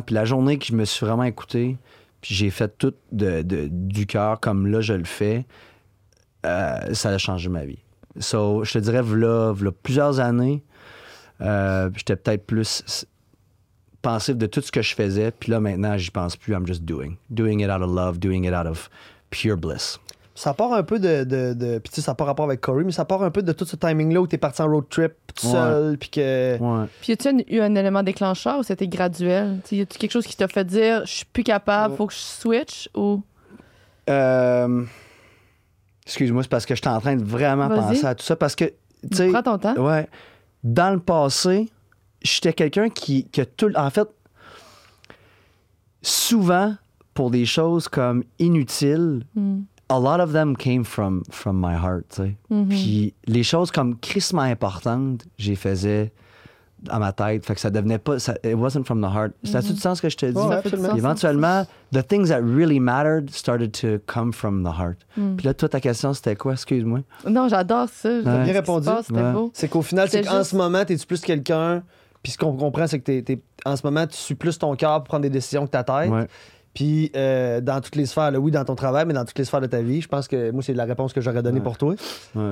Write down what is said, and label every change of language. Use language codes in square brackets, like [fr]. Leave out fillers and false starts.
[fr] Puis la journée que je me suis vraiment écouté, puis j'ai fait tout du cœur comme là je le fais, ça a changé ma vie. So, je te dirais, v'là plusieurs années, j'étais peut-être plus pensif de tout ce que je faisais. Puis là, maintenant, j'y pense plus. [en] I'm just doing. Doing it out of love, doing it out of pure bliss. [fr] Ça part un peu de puis tu sais, ça part rapport avec Corey, mais ça part un peu de tout ce timing-là où t'es parti en road trip tout seul, puis que... Ouais. Puis as-tu eu un élément déclencheur ou c'était graduel? T'sais, y a-tu quelque chose qui t'a fait dire « je suis plus capable, faut que je switch » ou... Excuse-moi, c'est parce que j'étais en train de vraiment penser à tout ça, parce que... Prends ton temps. Ouais. Dans le passé, j'étais quelqu'un qui a tout... En fait, souvent, pour des choses comme inutiles... Mm. [en] A lot of them came from my heart, [fr] tu sais. Mm-hmm. Puis les choses comme crissement importantes, j'y faisais dans ma tête. Fait que ça devenait pas... [en] Ça, it wasn't from the heart. Mm-hmm. [fr] Ça a-tu du sens ce que je te dis? Absolument. [en] Éventuellement, the things that really mattered started to come from the heart. [fr] Mm. Puis là, toi, ta question, c'était quoi? Excuse-moi. Non, j'adore ça. T'as bien répondu. C'était beau. C'est qu'au final, c'est qu'en ce moment, t'es-tu plus quelqu'un... Puis ce qu'on comprend, c'est que t'es en ce moment, tu suis plus ton cœur pour prendre des décisions que ta tête. Ouais. Puis dans toutes les sphères, là, oui, dans ton travail, mais dans toutes les sphères de ta vie, je pense que moi, c'est la réponse que j'aurais donnée pour toi. Ouais.